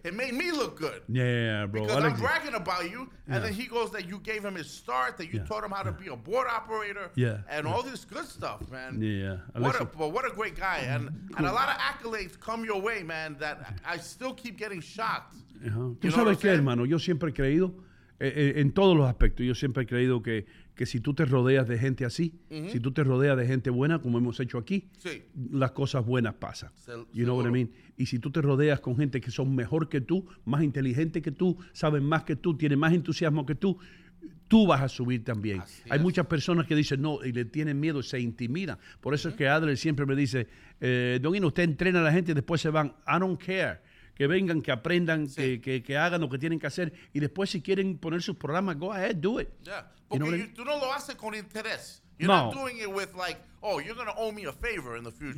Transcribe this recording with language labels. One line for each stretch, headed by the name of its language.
English: Yeah. It made me look good. Yeah, bro. Because I'm bragging about you. Yeah. And then he goes that you gave him his start, that you taught him how to be a board operator. Yeah. And all this good stuff, man. Yeah. What a great guy. And a lot of accolades come your way, man, that I still keep getting shocked. Uh-huh.
Spanish: Tú sabes qué, hermano, yo siempre he creído en todos los aspectos, yo siempre he creído que si tú te rodeas de gente así, si tú te rodeas de gente buena, como hemos hecho aquí, las cosas buenas pasan.
English: You know what I mean?
Spanish: Y si tú te rodeas con gente que son mejor que tú, más inteligente que tú, saben más que tú, tienen más entusiasmo que tú, tú vas a subir también. Hay muchas personas que dicen no y le tienen miedo, se intimidan. Por eso es que Adler siempre me dice, Don Ino, usted entrena a la gente y después se van.
English: I don't care.
Spanish: Que vengan, que aprendan, que hagan lo que tienen que hacer. Y después, si quieren poner sus programas,
English: go ahead, do it.
Spanish: Yeah. Porque tú no lo haces con interés.
English: You're not doing it with like, oh, you're going to owe me a favor in the future.